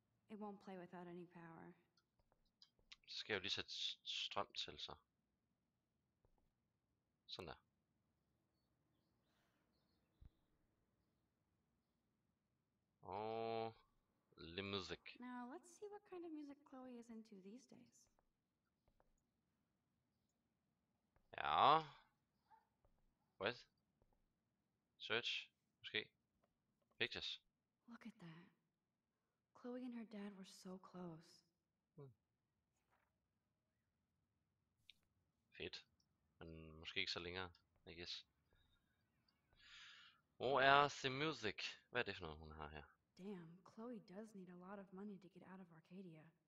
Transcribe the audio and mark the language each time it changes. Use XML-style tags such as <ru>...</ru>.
<en>It won't play without any power.</en> <da>Så skal jeg jo lige sætte strøm til så. Sådan der.</da> <en>Oh, the music. Now let's see what kind of music Chloe is into these days. Ja. What? Search, måske. Pictures. Look at that. Chloe and her dad were so close.</en> <da>Fedt. Men måske ikke så længere,</da> <en>I guess.</en> <da>Hvor er</da> <en>the music?</en> <da>Hvad er det for noget, hun har her?</da> <en>Damn, Chloe does need a lot of money to get out of Arcadia.</en>